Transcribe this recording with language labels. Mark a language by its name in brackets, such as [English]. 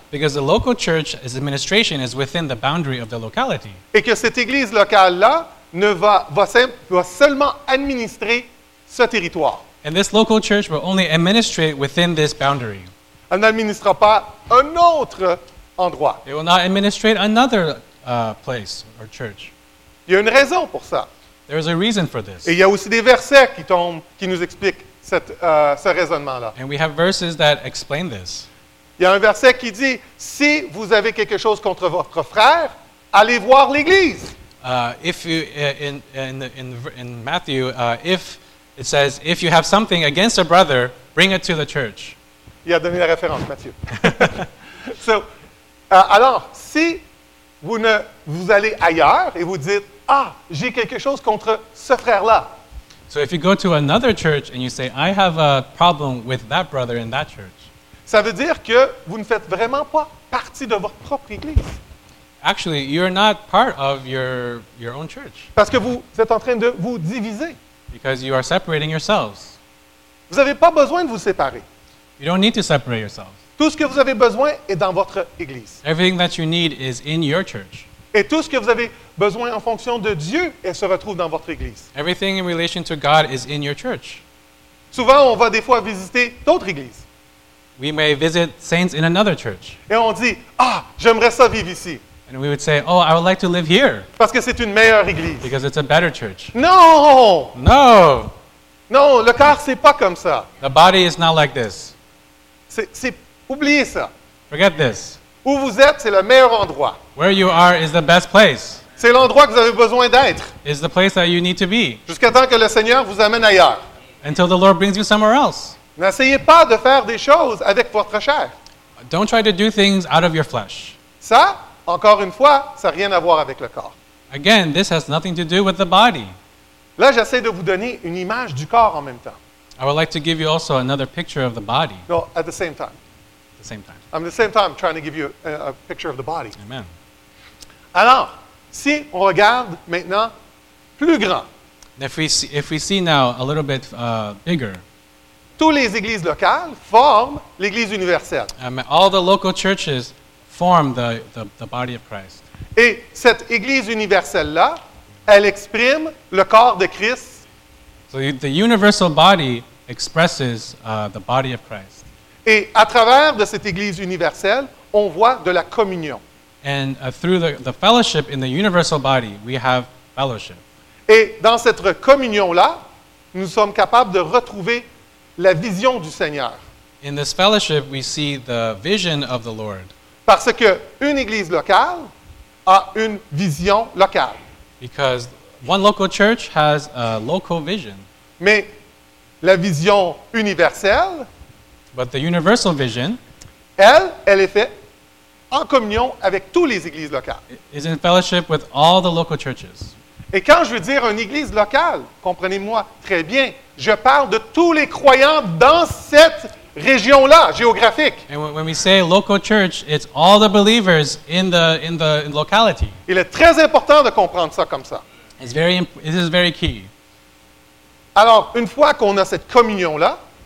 [English] Because the local church's administration is within the boundary of the locality. [French] Et que cette église locale là ne va seulement administrer ce territoire. [English] And this local church will only administrate within this boundary. [French] Elle n'administrera pas un autre endroit. [English] It will not administrate another place or church. [French] Il y a une raison pour ça. [English] There is a reason for this. [French] Et il y a aussi des versets qui nous expliquent ce raisonnement-là. [English] And we have verses that explain this. [French] Il y a un verset qui dit, si vous avez quelque chose contre votre frère, allez voir l'église. [English] If it says, if you have something against a brother, bring it to the church. [French] Il a donné la référence, Matthieu. alors, si vous allez ailleurs et vous dites, ah, j'ai quelque chose contre ce frère-là. [English] So if you go to another church and you say, I have a problem with that brother in that church. [French] Ça veut dire que vous ne faites vraiment pas partie de votre propre église. [English] Actually, you're not part of your own church. [French] Parce que vous êtes en train de vous diviser. [English] Because you are separating yourselves. [French] Vous n'avez pas besoin de vous séparer. [English] You don't need to separate yourselves. [French] Tout ce que vous avez besoin est dans votre église. [English] Everything that you need is in your church. [French] Et tout ce que vous avez besoin en fonction de Dieu se retrouve dans votre église. [English] Everything in relation to God is in your church. [French] Souvent, on va des fois visiter d'autres églises. [English] We may visit saints in another church. [French] Et on dit, ah, j'aimerais ça vivre ici. [English] And we would say, oh, I would like to live here. [French] Parce que c'est une meilleure église. [English] Because it's a better church. [French] Non! [English] No! [French] Non, le corps, c'est pas comme ça. [English] The body is not like this. [French] C'est, oubliez ça. [English] Forget this. [French] Où vous êtes, c'est le meilleur endroit. [English] Where you are is the best place. [French] C'est l'endroit que vous avez besoin d'être. [English] Is the place that you need to be. [French] Jusqu'à temps que le Seigneur vous amène ailleurs. [English] Until the Lord brings you somewhere else. [French] N'essayez pas de faire des choses avec votre chair. [English] Don't try to do things out of your flesh. [French] Ça, encore une fois, ça n'a rien à voir avec le corps. [English] Again, this has nothing to do with the body. [French] Là, j'essaie de vous donner une image du corps en même temps. [English] I would like to give you also another picture of the body. No, at the same time. The same time. I'm the same time trying to give you a picture of the body. Amen. [French] Alors, si on regarde maintenant plus grand. [English] If we see now a little bit bigger. [French] Toutes les églises locales forment l'église universelle. [English] All the local churches form the body of Christ. [French] Et cette église universelle là, elle exprime le corps de Christ. [English] So the universal body expresses the body of Christ. [French] Et à travers de cette église universelle, on voit de la communion. [English] And through the fellowship in the universal body, we have fellowship. [French] Et dans cette communion là, nous sommes capables de retrouver la vision du Seigneur. [English] In this fellowship, we see the vision of the Lord. [French] Parce que une église locale a une vision locale. [English] Because one local church has a local vision. [French] Mais la vision universelle, [English] but the universal vision, [French] elle est faite en communion avec tous les églises locales. [English] Is in fellowship with all the local churches. [French] Et quand je veux dire une église locale, comprenez-moi très bien, je parle de tous les croyants dans cette région là, géographique. [English] And when we say local church, it's all the believers in the locality. [French] Il est très important de comprendre ça comme ça. [English] It is very key. [French] Alors, une fois qu'on a cette communion là,